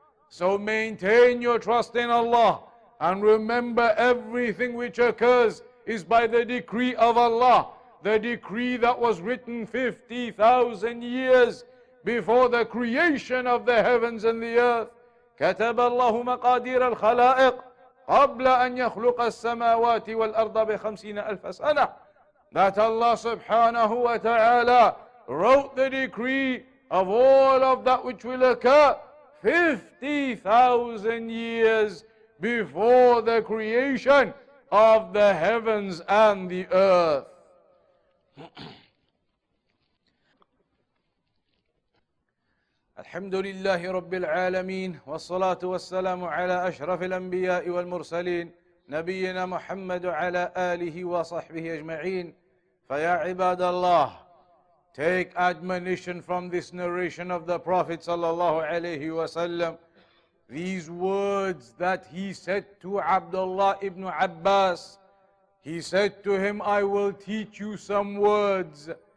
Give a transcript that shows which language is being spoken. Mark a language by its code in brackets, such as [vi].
[en] So maintain your trust in Allah and remember everything which occurs is by the decree of Allah. The decree that was written 50,000 years before the creation of the heavens and the earth. [ar] كتب الله مقادير الخلائق قبل أن يخلق السماوات والأرض بخمسين ألف سنة. [en] That Allah subhanahu wa ta'ala wrote the decree of all of that which will occur 50,000 years before the creation of the heavens and the earth. [ar] الحمد لله رب العالمين والصلاة والسلام على أشرف الأنبياء والمرسلين نبينا محمد على آله وصحبه أجمعين. فيا عباد الله, [en] take admonition from this narration of the Prophet [ar] صلى الله عليه وسلم. [en] These words that he said to Abdullah ibn Abbas, he said to him, I will teach you some words.